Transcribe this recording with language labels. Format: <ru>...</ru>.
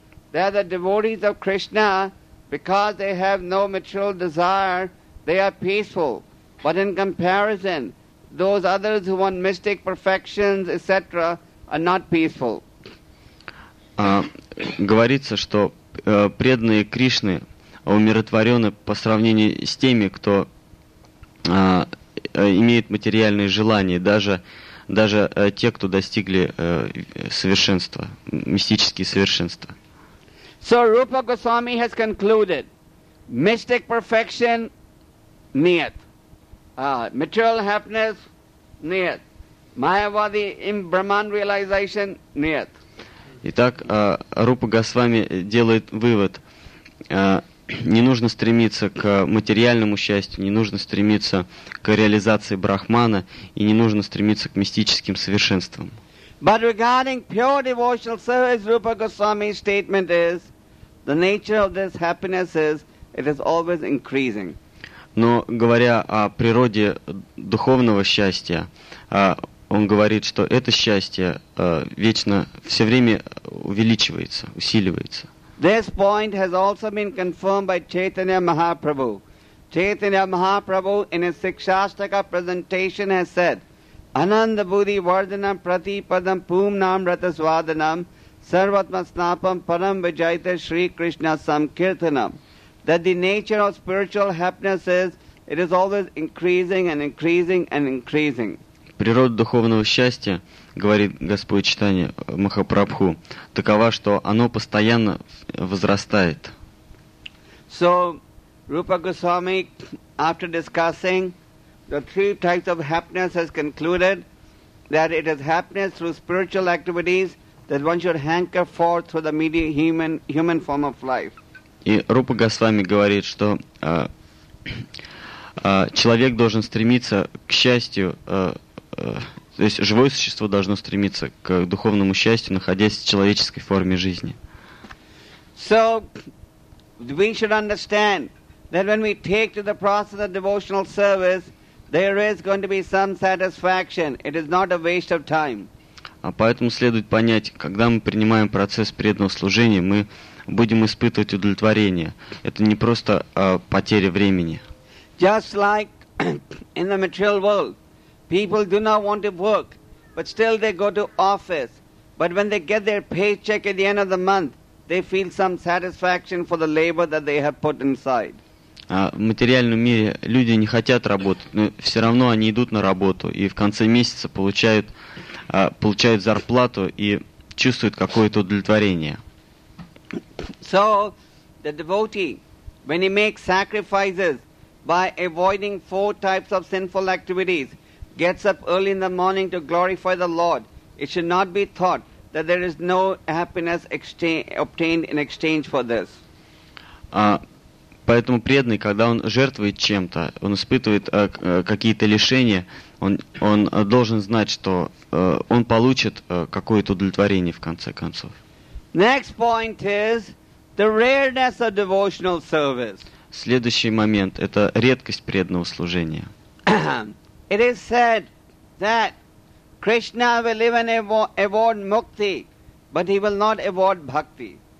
<en>They are the devotees of Krishna, because they have no material desire, they are peaceful. But in comparison, those others who want mystic perfections, etc., are not peaceful.</en> <ru>Говорится, что преданные Кришны умиротворены по сравнению с теми, кто имеет материальные желания, даже те, кто достигли совершенства, мистические совершенства.</ru> <en>So Rupa Goswami has concluded, mystic perfection, niyat. Material happiness, niyat. Mayavadi in Brahman realization, niyat.</en> <ru>Итак, Рупа Госвами делает вывод. Не нужно стремиться к материальному счастью, не нужно стремиться к реализации Брахмана и не нужно стремиться к мистическим совершенствам.</ru> <en>But regarding pure devotional service, Rupa Goswami's statement is, the nature of this happiness is, it is always increasing.</en> <ru>Но говоря о природе духовного счастья, он говорит, что это счастье вечно, все время увеличивается, усиливается.</ru> <en>This point has also been confirmed by Chaitanya Mahaprabhu. Chaitanya Mahaprabhu in his Sikshastaka presentation has said,</en> <sa>Ananda Buddhi Vardhanam Pratipadam Pumnam Ratasvadhanam Sarvatma Snapam Param Vijayate Shri Krishna Samkirtanam.</sa> <en>That the nature of spiritual happiness is, it is always increasing and increasing and increasing.</en> <ru>Природа духовного счастья, говорит Господь Чайтанья Махапрабху, такова, что оно постоянно возрастает.</ru> <en>So, Rupa Goswami, after discussing the three types of happiness, has concluded that it is happiness through spiritual activities that one should hanker for through the medium human form of life.</en> <ru>И Рупа Госвами говорит, что человек должен стремиться к счастью, то есть живое существо должно стремиться к духовному счастью, находясь в человеческой форме жизни.</ru> <en>So, we should understand that when we take to the process of devotional service, there is going to be some satisfaction. It is not a waste of time.</en> <ru>Поэтому следует понять, когда мы принимаем процесс преданного служения, мы будем испытывать удовлетворение. Это не просто потеря времени.</ru> <en>Just like in the material world, people do not want to work, but still they go to office. But when they get their paycheck at the end of the month, they feel some satisfaction for the labor that they have put inside.</en> <ru>В материальном мире люди не хотят работать, но все равно они идут на работу и в конце месяца получают зарплату и чувствуют какое-то удовлетворение.</ru> <en>So, the devotee when he makes sacrifices by avoiding four types of sinful activities, gets up early in the morning to glorify the Lord, it should not be thought that there is no happiness obtained in exchange for this.</en> <ru>Поэтому преданный, когда он жертвует чем-то, он испытывает какие-то лишения, он должен знать, что он получит какое-то удовлетворение в конце концов.</ru> <en>Next point is the rareness of devotional service.</en> <ru>Следующий момент – это редкость преданного служения.</ru> <en>It is said that Krishna will even award mukti, but he will not award bhakti.</en>